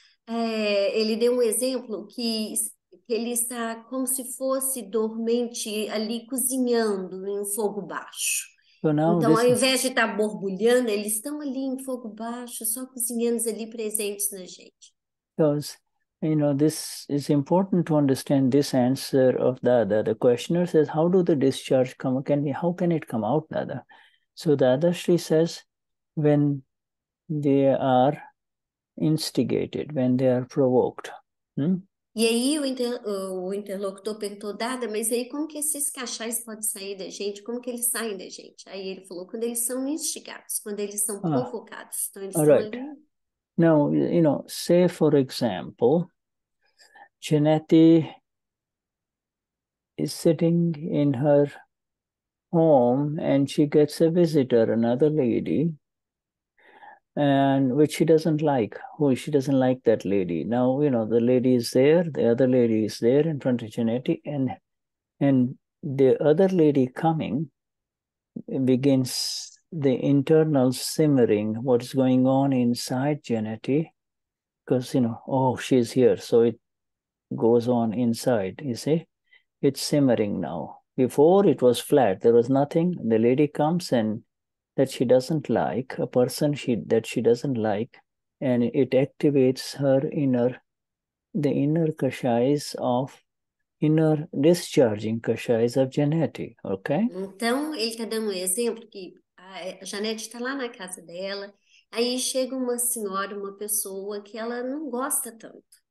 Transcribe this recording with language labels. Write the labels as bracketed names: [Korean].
[Portuguese] Ele deu um exemplo que ele está como se fosse dormente ali cozinhando em fogo baixo. Então, ao invés de estar borbulhando, eles estão ali em fogo baixo, só cozinhando ali presentes na gente. [English] You know, this is important to understand this answer of Dada. The questioner says, how do the discharge come? How can it come out, Dada? So Dadashri says, when they are instigated, when they are provoked. [Portuguese] E aí o interlocutor perguntou, Dada, mas aí como que esses kashayas podem sair da gente? Como que eles saem da gente? Aí ele falou, quando eles são instigados, quando eles são provocados. Então eles estão ali. [English] Now, you know, say for example, Janati is sitting in her home and she gets a visitor, another lady, and which she doesn't like. She doesn't like that lady. Now, you know, the lady is there, the other lady is there in front of Janati, and the other lady coming begins the internal simmering, what is going on inside Janati, because, you know, oh, she's here, so it goes on inside, you see? It's simmering now. Before it was flat, there was nothing. The lady comes and that she doesn't like, a person that she doesn't like, and it activates her inner, the inner kashayas of inner discharging kashayas of Janeti, okay? [Portuguese] Então, ele está dando um exemplo que a Janete está lá na casa dela, aí chega uma senhora, uma pessoa que ela não gosta tanto.